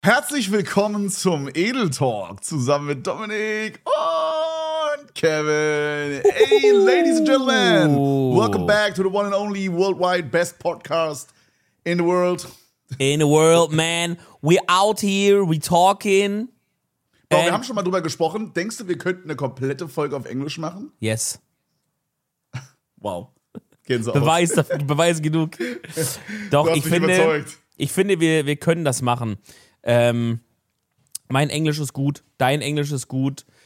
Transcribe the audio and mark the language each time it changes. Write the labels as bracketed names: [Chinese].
[German] Herzlich willkommen zum Edeltalk zusammen mit Dominik und Kevin. [English] Hey, ladies and gentlemen, welcome back to the one and only worldwide best podcast in the world. In the world, man. We're out here, we're talking. [German] Boah, wir haben schon mal drüber gesprochen. Denkst du, wir könnten eine komplette Folge auf Englisch machen? [English] Yes. Wow. [German] Beweis genug. Doch, ich finde, wir können das machen. Mein Englisch ist gut, dein Englisch ist gut.